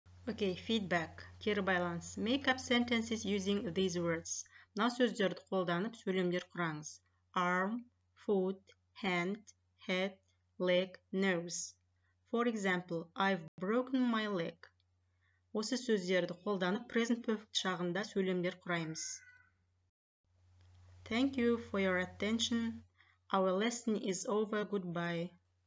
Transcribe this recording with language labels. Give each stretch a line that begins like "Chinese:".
English: Okay, feedback.
Kazakh: Кері байланс.
English: Make up sentences using these words.
Kazakh: Мынау сөздерді қолданып, сөйлемдер құраңыз.
English: Arm, foot, hand, head, leg, nose. For example, I've broken my leg.
Kazakh: Осы сөздерді қолданып, present perfect шағында сөйлемдер құраймыз.
English: Thank you for your attention. Our lesson is over. Goodbye.